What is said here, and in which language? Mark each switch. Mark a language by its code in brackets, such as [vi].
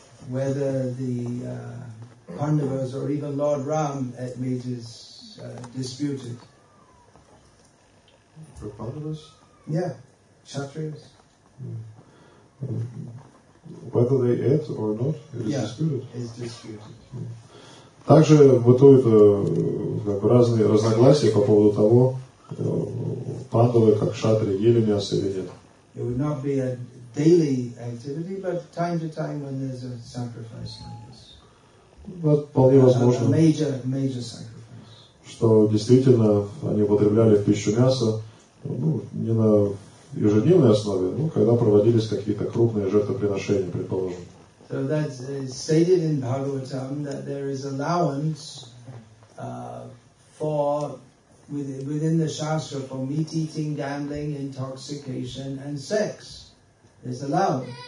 [en] Whether the Pandavas or even Lord Ram ate meat is disputed. For Pandavas? Yeah, Kshatriyas. Whether they ate or not, it is disputed. Yeah, it's disputed. [ru] Также бытуют разные разногласия по поводу того, пандавы, как кшатри, ели мясо или нет. [en] It would not be a daily activity, but time to time when there's a sacrifice like this. [ru] Вполне возможно, [en] a major sacrifice. [ru] Что действительно они употребляли в пищу мясо, ну, не на ежедневной основе, но когда проводились какие-то крупные жертвоприношения, предположим. [en] So that is stated in Bhagavatam that there is allowance for within the shastra for meat eating, gambling, intoxication, and sex is allowed.